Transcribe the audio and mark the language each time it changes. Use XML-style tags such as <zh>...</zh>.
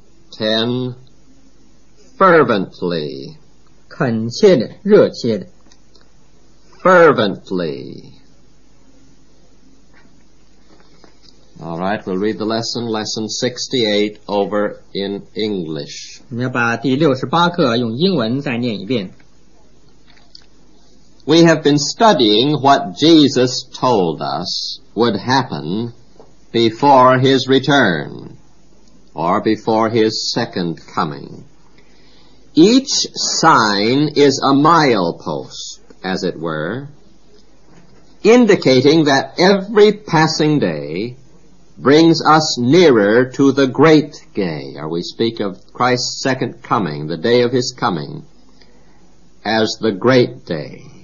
<en>10. Fervently.</en> <zh>恳切的，热切的。</zh> <en>Fervently. All right, we'll read the lesson, lesson 68, over in English.</en> <zh>我们要把第68课用英文再念一遍。</zh> <en>We have been studying what Jesus told us would happen before his return, or before his second coming. Each sign is a milepost, as it were, indicating that every passing day brings us nearer to the great day, or we speak of Christ's second coming, the day of his coming, as the great day.</en>